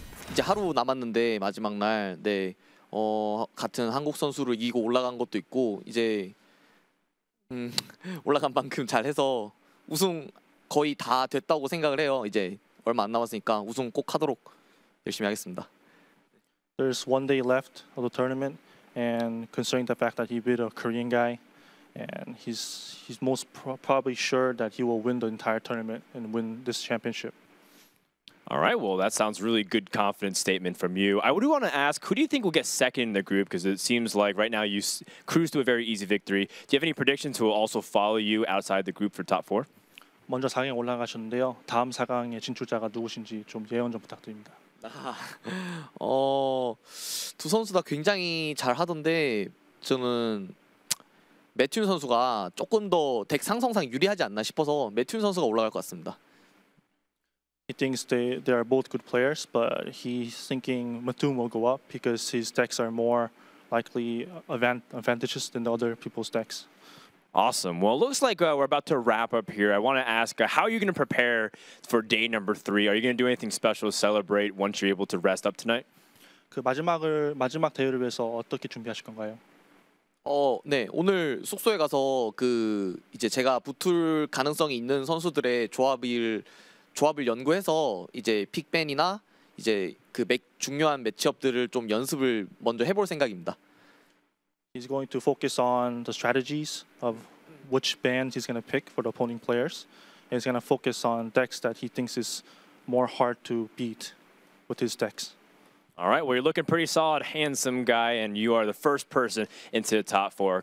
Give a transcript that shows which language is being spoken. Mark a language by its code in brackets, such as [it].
[ko] 이제 하루 남았는데 마지막 날 같은 한국 선수를 이기고 올라간 것도 있고 이제 올라간 만큼 잘해서 우승 거의 다 됐다고 생각을 해요. 이제 얼마 안 남았으니까 우승 꼭 하도록 열심히 하겠습니다. [en] There's one day left of the tournament. And considering the fact that he beat a Korean guy, and he's most probably sure that he will win the entire tournament and win this championship. All right, well, that sounds really good confidence statement from you. I do want to ask, who do you think will get second in the group? Because it seems like right now you cruise to a very easy victory. Do you have any predictions who will also follow you outside the group for top four? [ko] 먼저 4강에 올라가셨는데요. 다음 4강의 진출자가 누구신지 좀 예언 좀 부탁드립니다. 두 선수 다 굉장히 잘 하던데 저는 매튠 선수가 조금 더 덱 상성상 유리하지 않나 싶어서 매튠 선수가 올라갈 것 같습니다. [en] He thinks they are both good players, but he's thinking Matum will go up because his decks are more likely advantageous than the other people's decks. Awesome. Well, it looks like we're about to wrap up here. I want to ask, how are you going to prepare for day number three? Are you going to do anything special to celebrate once you're able to rest up tonight? [ko] 그 마지막 대회를 위해서 어떻게 준비하실 건가요? 네. 오늘 숙소에 가서 그 이제 제가 붙을 가능성이 있는 선수들의 조합을 연구해서 이제 픽밴이나 이제 그 중요한 매치업들을 좀 연습을 먼저 해볼 생각입니다. [en] He's going to focus on the strategies of which bands he's going to pick for the opponent players. And he's going to focus on decks that he thinks is more hard to beat with his decks. All right, well, you're looking pretty solid, handsome guy, and you are the first person into the top four.